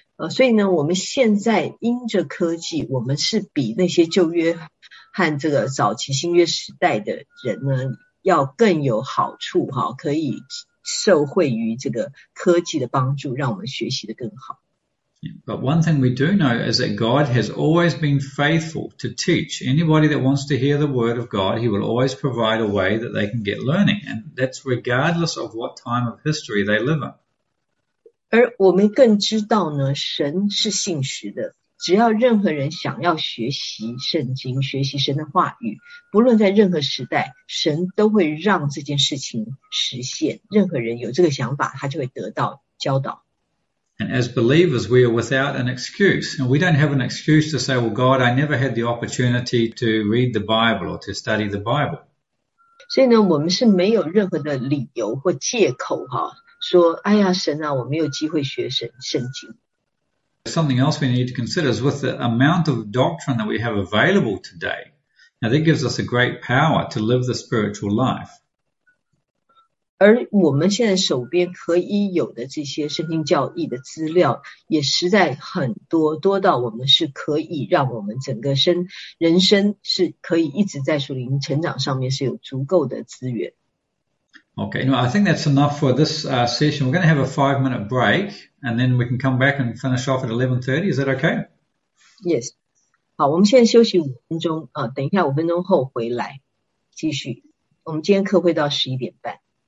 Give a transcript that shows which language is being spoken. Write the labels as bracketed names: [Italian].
[Chinese] 所以呢，我们现在因着科技，我们是比那些旧约和这个早期新约时代的人呢，要更有好处哈，可以受惠于这个科技的帮助，让我们学习得更好。 [English] But one thing we do know is that God has always been faithful to teach. Anybody that wants to hear the word of God, he will always provide a way that they can get learning. And that's regardless of what time of history they live in. [Chinese] 而我们更知道呢，神是信实的。只要任何人想要学习圣经，学习神的话语，不论在任何时代，神都会让这件事情实现。任何人有这个想法，他就会得到教导。 [English] And as believers, we are without an excuse. And we don't have an excuse to say, well, God, I never had the opportunity to read the Bible or to study the Bible. [Chinese] 所以呢，我们是没有任何的理由或借口哈，说，哎呀，神啊，我没有机会学圣经。 [English] Something else we need to consider is with the amount of doctrine that we have available today. Now, that gives us a great power to live the spiritual life. [Chinese] 而我们现在手边可以有的这些圣经教义的资料也实在很多，多到我们是可以让我们整个人生是可以一直在属灵成长上面是有足够的资源。 [English] Okay, you know, I think that's enough for this session. We're going to have a 5-minute break and then we can come back and finish off at 11:30. Is that okay? Yes. [Chinese] 好，我们现在休息5分钟，等一下5分钟后回来继续。我们今天课会到11:30。